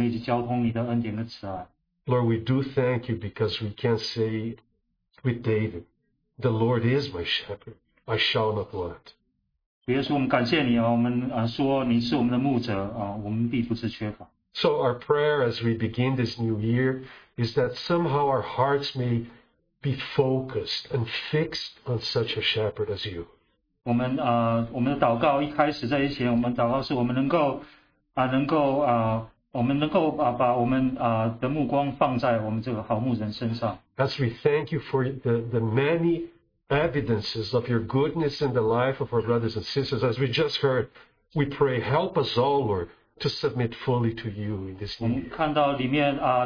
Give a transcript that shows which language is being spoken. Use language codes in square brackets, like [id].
[en] Lord, we do thank you because we can say with David, the Lord is my shepherd, I shall not want. [zh] 耶稣，我们感谢你啊！我们啊说你是我们的牧者啊，我们必不致缺乏。 [en] So our prayer as we begin this new year is that somehow our hearts may be focused and fixed on such a shepherd as you. [zh] 我们祷告一开始在以前，我们祷告是我们能够把我们的目光放在我们这个好牧人身上。 [en] As we thank you for the many evidences of your goodness in the life of our brothers and sisters, as we just heard, we pray, help us all, Lord, to submit fully to you in this new year.